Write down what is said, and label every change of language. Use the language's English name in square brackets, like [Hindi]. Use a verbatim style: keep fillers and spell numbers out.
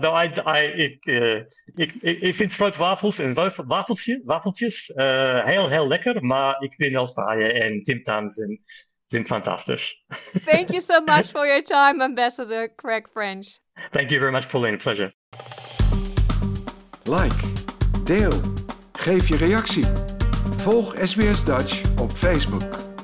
[Dutch] No, I, I, it, uh, ik, ik, ik vind stroopwafels en wafeltje, wafeltjes uh, heel, heel lekker, maar ik vind Australië en Tim Tams en zijn fantastisch. [English] Thank you so much for your time, Ambassador Greg French. Thank you very much, Pauline. Pleasure. [Dutch] Like, deel, geef je reactie. Volg S B S Dutch op Facebook.